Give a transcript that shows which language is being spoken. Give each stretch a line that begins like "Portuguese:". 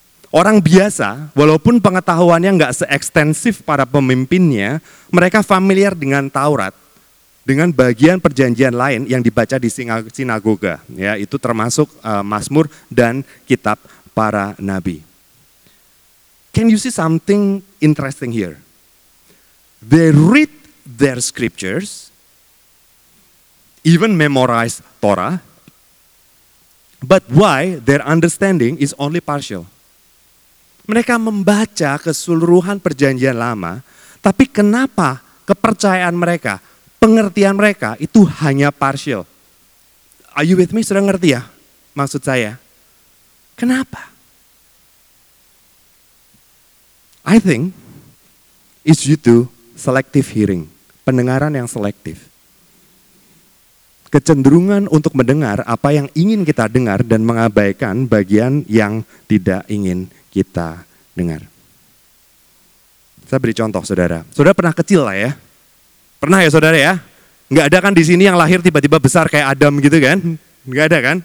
Indonesian: Orang biasa, walaupun pengetahuannya enggak seekstensif para pemimpinnya, mereka familiar dengan Taurat, dengan bagian perjanjian lain yang dibaca di sinagoga, ya, itu termasuk Mazmur dan kitab para nabi.
English: Can you see something interesting here? They read their scriptures, even memorize Torah, but why their understanding is only partial?
Indonesian: Mereka membaca keseluruhan Perjanjian Lama, Tapi kenapa kepercayaan mereka, pengertian mereka itu hanya partial?
English: Are you with me?
Indonesian: Sudah ngerti ya maksud saya? Kenapa?
English: I think it's due to selective hearing,
Indonesian: pendengaran yang selektif. Kecenderungan untuk mendengar apa yang ingin kita dengar dan mengabaikan bagian yang tidak ingin kita dengar. Saya beri contoh, saudara. Saudara pernah kecil lah ya? Pernah ya, saudara ya? Nggak ada kan di sini yang lahir tiba-tiba besar kayak Adam gitu kan? Nggak ada kan?